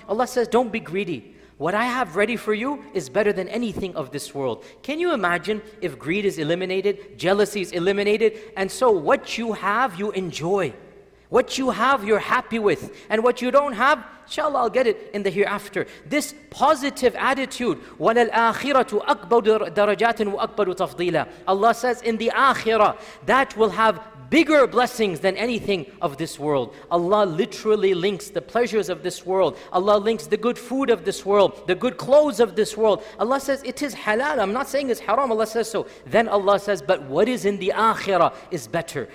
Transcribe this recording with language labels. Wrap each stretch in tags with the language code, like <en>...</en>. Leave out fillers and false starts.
<en>Allah says, don't be greedy. What I have ready for you is better than anything of this world. Can you imagine if greed is eliminated, jealousy is eliminated, and so what you have, you enjoy. What you have, you're happy with. And what you don't have, inshallah, I'll get it in the hereafter. This positive attitude,</en> <ar>وَلَلْآخِرَةُ أَكْبَرُ دَرَجَاتٍ وَأَكْبَرُ تَفْضِيلًا.</ar> <en>Allah says, in the akhirah, that will have bigger blessings than anything of this world. Allah literally links the pleasures of this world. Allah links the good food of this world, the good clothes of this world. Allah says, it is halal. I'm not saying it's haram. Allah says so. Then Allah says, but what is in the akhirah is better.</en>